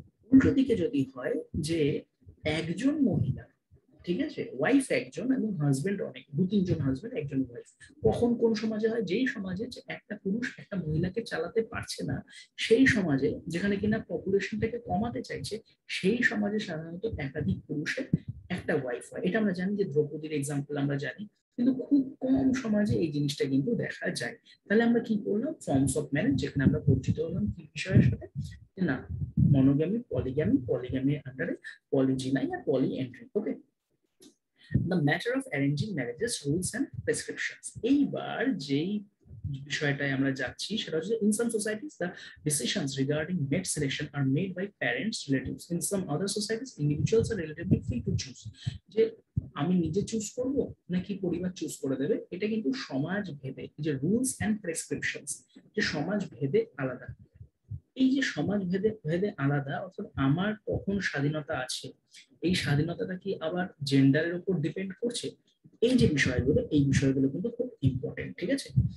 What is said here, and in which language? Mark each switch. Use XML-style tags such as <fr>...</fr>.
<bn>উল্টো দিকে যদি হয় যে একজন মহিলা, ঠিক আছে, ওয়াইফ একজন এবং হাজবেন্ড অনেক, দু তিনজন হাজবেন্ড একজন ওয়াইফ, কখন কোন সমাজে হয়, যেই সমাজে যে একটা পুরুষ একটা মহিলাকে চালাতে পারছে না, সেই সমাজে যেখানে কিনা পপুলেশনটাকে কমাতে চাইছে, সেই সমাজে সাধারণত একাধিক পুরুষের একটা ওয়াইফ হয়। এটা আমরা জানি, যে দ্রৌপদীর এক্সাম্পল আমরা জানি, কিন্তু খুব কম সমাজে এই জিনিসটা কিন্তু দেখা যায়। তাহলে আমরা কি করলাম, ফর্মস অফ ম্যারেজ, যেখানে আমরা পরিচিত হলাম কি বিষয়ের সাথে, না মনোগ্যামি, পলিগ্যামি, পলিগ্যামি আন্ডারে পলিজিনাই আর পলি entry.</bn> <en>Okay, The matter of arranging marriages, rules and prescriptions.</en> <bn>এইবার যেই বিষয়টায় আমরা যাচ্ছি সেটা হচ্ছে,</bn> <en>in some societies the decisions regarding mate selection are made by parents, relatives. In some other societies individuals are relatively free to choose.</en> <bn>যে আমি নিজে choose করবো নাকি পরিবার চুজ করে দেবে, এটা কিন্তু সমাজ ভেদে, যে</bn> <en>rules and prescriptions,</en> <bn>যে সমাজ ভেদে আলাদা। এই যে সমাজ ভেদে ভেদে আলাদা, অর্থাৎ আমার কখন স্বাধীনতা আছে, এই স্বাধীনতাটা কি আবার জেন্ডারের উপর ডিপেন্ড করছে, এই যে বিষয়গুলো, এই বিষয়গুলো কিন্তু খুব ইম্পর্টেন্ট, ঠিক আছে?</bn>